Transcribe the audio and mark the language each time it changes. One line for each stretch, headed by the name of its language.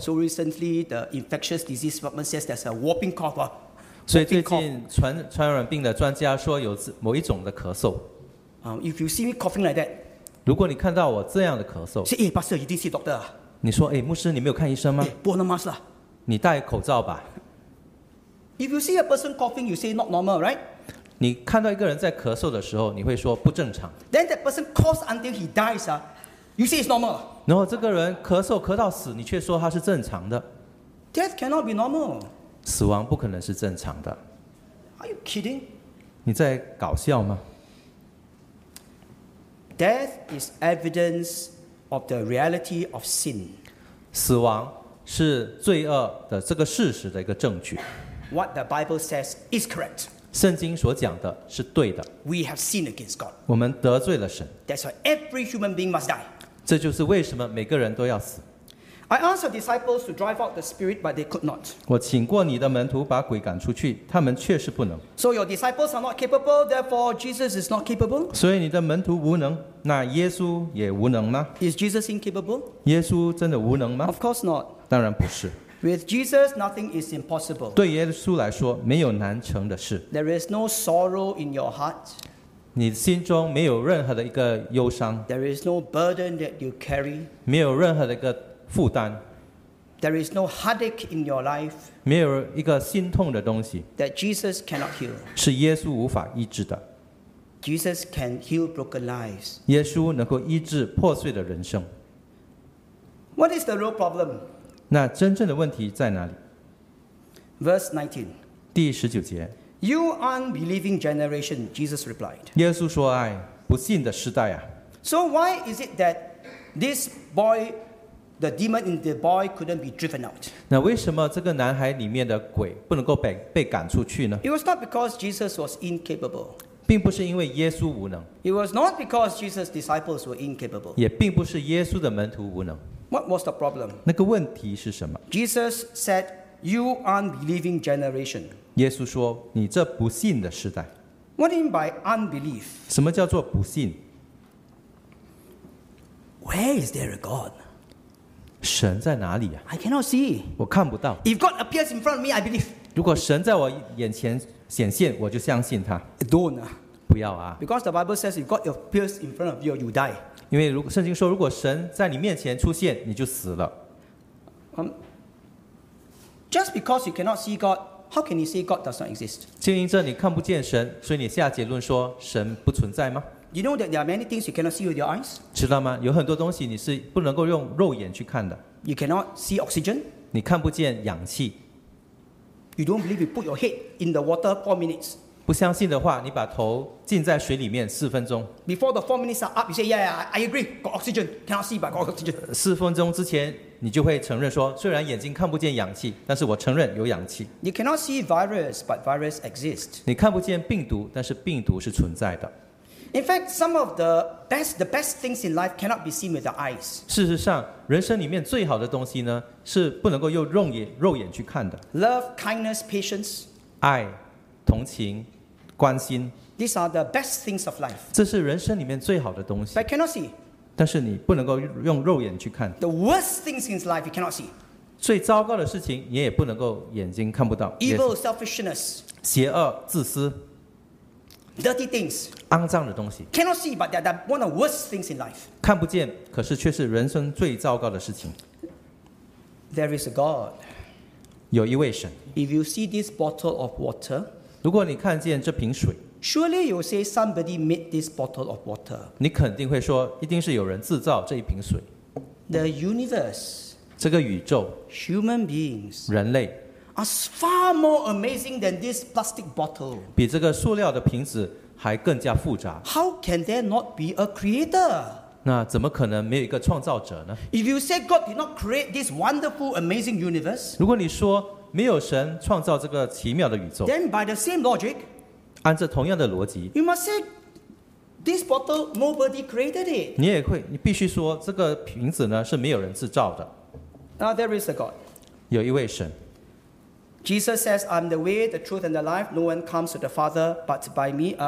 English: So recently, the infectious disease department says there's a whooping cough.
Chinese: 所以最近传染病的专家说有某一种的咳嗽。
English: If you see me coughing like that.
Chinese: 如果你看到我这样的咳嗽，是耶，巴士一定是 doctor。你说，哎，牧师，你没有看医生吗？不能 mask 啦。你戴口罩吧。
English: If you see a person coughing, you say not normal, right?
Chinese: 你看到一个人在咳嗽的时候，你会说不正常。
English: Then that person coughs until he dies, you say it's normal.
Chinese: 然后这个人咳嗽咳到死，你却说他是正常的。
English: Death cannot be normal.
Chinese: 死亡不可能是正常的。
English: Are you kidding?
Chinese: 你在搞笑吗？
English: Death is evidence of the reality of sin.
Chinese: 死亡是罪恶的这个事实的一个证据。
English: what the Bible says is correct.
Chinese: 圣经所讲的是对的。
English: We have sinned against God.
Chinese: 我们得罪了神。
English: That's why every human being must die.
Chinese: 这就是为什么每个人都要死。
English: I asked the disciples to drive out the spirit, but they could not.
Chinese: 我请过你的门徒把鬼赶出去，他们确实不能。
English: So your disciples are not capable, therefore Jesus is not capable.
Chinese: 所以你的门徒无能，那耶稣也无能吗？
English: Is Jesus incapable?
Chinese: 耶稣真的无能吗？
English: Of course not.
Chinese: 当然不是。
English: With Jesus, nothing is impossible.
Chinese: 对耶稣来说，没有难成的事。
English: There is no sorrow in your heart.
Chinese: 你心中没有任何的一个忧伤。
English: There is no burden that you carry.
Chinese: 没有任何的一个负担。
English: There is no heartache in your life.
Chinese: 没有一个心痛的东西。
English: That Jesus cannot heal.
Chinese: 是耶稣无法医治的。
English: Jesus can heal broken lives.
Chinese: 耶稣能够医治破碎的人生。
English: What is the real problem?
Chinese: 那真正的问题在哪里？
English: Verse 19,
Chinese: 第十九节。
English: You unbelieving generation, Jesus replied.
Chinese: 耶稣说：“哎，不信的时代啊。”
English: So why is it that this boy, the demon in the boy, couldn't be driven out?
Chinese: 那为什么这个男孩里面的鬼不能够被赶出去呢？
English: It was not because Jesus was incapable.
Chinese: 并不是因为耶稣无能。
English: It was not because Jesus' disciples were incapable.
Chinese: 也并不是耶稣的门徒无能。
English: What was the problem?
Chinese: 那个问题是什么？
English: Jesus said, "You unbelieving generation."
Chinese: 耶稣说，你这不信的时代。
English: What do you mean by unbelief?
Chinese: 什么叫做不信？
English: Where is there a God?
Chinese: 神在哪里呀？
English: I cannot see.
Chinese: 我看不到。
English: If God appears in front of me, I believe.
Chinese: 如果神在我眼前显现，我就相信他。
English: Don't.
Chinese: 不要啊。
English: Because the Bible says, if God appears in front of you, you die.
Chinese: 因为圣经说，如果神在你面前出现，你就死了。
English: Just because you cannot see God, how can you say God does not exist?
Chinese: 经营着你看不见神，所以你下结论说神不存在吗？
English: You know that there are many things you cannot see with your eyes.
Chinese: 知道吗？有很多东西你是不能够用肉眼去看的。
English: You cannot see oxygen.
Chinese: 你看不见氧气。
English: You don't believe you put your head in the water 4 minutes.
Chinese: 不相信的话，你把头浸在水里面四分钟。
English: Before the 4 minutes are up, you say, "Yeah, I agree. Got oxygen. Cannot see, but got oxygen."
Chinese: 四分钟之前，你就会承认说，虽然眼睛看不见氧气，但是我承认有氧气。
English: You cannot see virus, but virus exists.
Chinese: 你看不见病毒，但是病毒是存在的。
English: In fact, some of the best things in life cannot be seen with the eyes.
Chinese: 事实上，人生里面最好的东西呢，是不能够用肉眼去看的。
English: Love, kindness, patience.
Chinese: 爱，同情。关心
English: These are the best things of life.
Chinese: 这是人生里面最好的东西。
English: But cannot see.
Chinese: 但是你不能够用肉眼去看。
English: The worst things in life you cannot see.
Chinese: 最糟糕的事情你也不能够眼睛看不到。
English: Evil, selfishness.
Chinese: 邪恶、自私。
English: Dirty things.
Chinese: 肮脏的东西。
English: Cannot see, but they're one of the worst things in life.
Chinese: 看不见，可是却是人生最糟糕的事情。
English: There is a God.
Chinese: 有一位神。
English: If you see this bottle of water.
Chinese: 如果你看见这瓶水
English: Surely you say somebody made this bottle of water
Chinese: 你肯定会说一定是有人制造这一瓶水
English: The universe
Chinese: 这个宇宙
English: Human beings
Chinese: 人类
English: Are far more amazing than this plastic bottle
Chinese: 比这个塑料的瓶子还更加复杂
English: How can there not be a creator?
Chinese: 那怎么可能没有一个创造者呢
English: If you say God did not create this wonderful amazing universe
Chinese: 如果你说没有神创造这个奇妙的宇宙。
English: Then by the same logic,
Chinese: 按着同样的逻辑
English: ，You must say this bottle nobody created it.
Chinese: 你也会，你必须说这个瓶子呢是没有人制造的。
English: Now there is a God.
Chinese: 有一位神。
English: Jesus says, "I'm the way, the truth, and the life. No one comes to the Father but by me."